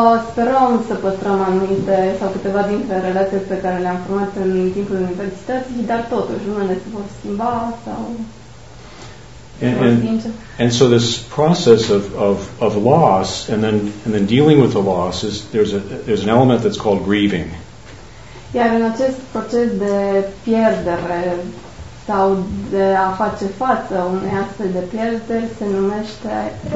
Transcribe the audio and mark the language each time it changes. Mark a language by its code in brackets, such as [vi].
[ro] Sperăm să păstrăm anumite sau câteva dintre relații pe care le-am format în timpul universității, dar totuși unele se vor schimba sau [en] And so this process of loss and then dealing with the loss is there's an element that's called grieving. [ro] Iar în acest proces de pierdere sau de a face față unei astfel de pierderi se numește